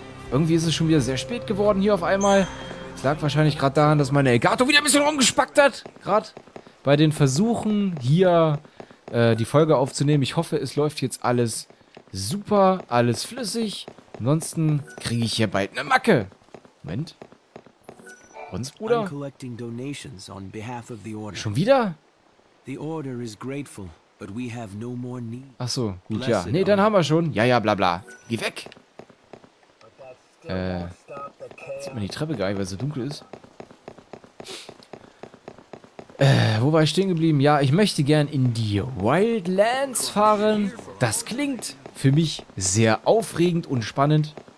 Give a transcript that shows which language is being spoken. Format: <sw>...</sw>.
<de>Irgendwie ist es schon wieder sehr spät geworden hier auf einmal. Es lag wahrscheinlich gerade daran, dass meine Elgato wieder ein bisschen rumgespackt hat. Gerade bei den Versuchen hier die Folge aufzunehmen. Ich hoffe, es läuft jetzt alles super, alles flüssig. Ansonsten kriege ich hier bald eine Macke. Moment. Bronzebruder?</de> <en>I'm collecting donations on behalf of the order.</en> <de>Schon wieder?</de> <en>The order is grateful, but we have no more need.</en> <de>Ach so, gut, bless ja. Nee, dann haben wir schon. Ja, ja, bla bla. Geh weg. Sieht man die Treppe gar nicht, weil sie dunkel ist. Wo war ich stehen geblieben? Ja, ich möchte gern in die Wildlands fahren. Das klingt für mich sehr aufregend und spannend.</de>